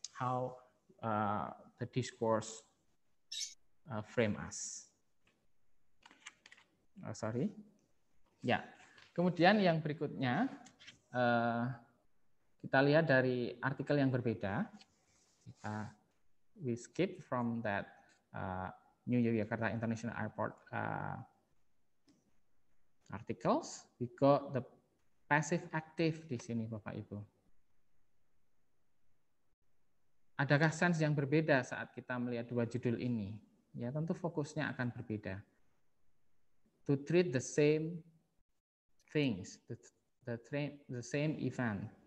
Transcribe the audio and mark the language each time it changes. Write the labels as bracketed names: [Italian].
[English] How the discourse frame us. Oh, sorry. Ya, yeah. [Indonesian] Kemudian yang berikutnya, kita lihat dari artikel yang berbeda. [English] We skip from that New Yogyakarta International Airport articles. We got the passive active [Indonesian] di sini, Bapak Ibu. Adakah sense yang berbeda saat kita melihat dua judul ini? Ya, tentu fokusnya akan berbeda. [English] to treat the same things, the same event.